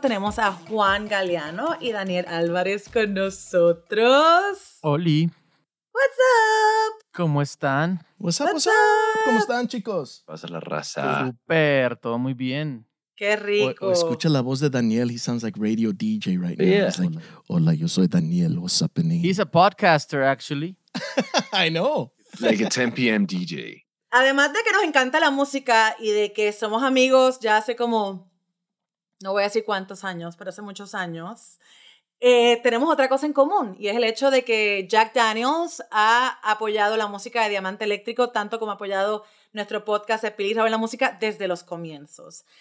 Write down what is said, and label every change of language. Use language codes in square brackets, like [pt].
[es] Tenemos a Juan Galeano y Daniel Álvarez con nosotros. ¡Holi! [en] ¡What's up! [es] ¿Cómo están? [en] ¿What's up? [es] ¿Cómo están, chicos? ¡Pasa la raza! ¡Súper! ¡Todo muy bien! ¡Qué rico! O escucha la voz de Daniel. [en] He sounds like radio DJ right now. Yeah. Like, [es] hola, yo soy Daniel. [en] What's happening? He's a podcaster, actually. I know. Like a 10 p.m. DJ. [es] Además de que nos encanta la música y de que somos amigos ya hace como, no voy a decir cuántos años, pero hace muchos años, tenemos otra cosa en común y es el hecho de que Jack Daniels ha apoyado la música de Diamante Electrico tanto como ha apoyado nuestro podcast de Pili y Raúl en la música desde los comienzos.